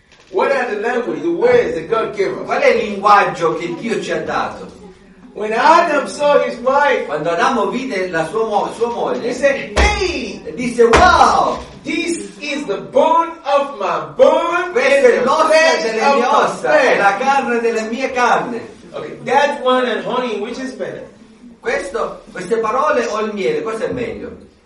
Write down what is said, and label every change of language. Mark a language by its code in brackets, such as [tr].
[en] What are the language, the words that God gave us? [it] Qual è il linguaggio che Dio ci ha dato? [en] When Adam saw his wife, [it] quando Adamo vide la sua moglie, [en] he said, "Hey!" [it] Disse, "Wow! [en] This is the bone of my bone. [it] Questa è l'ossa delle mie ossa, la carne delle mie carne." [en] Okay, that one and honey, which is better? [it] Queste parole o il miele, cosa è meglio?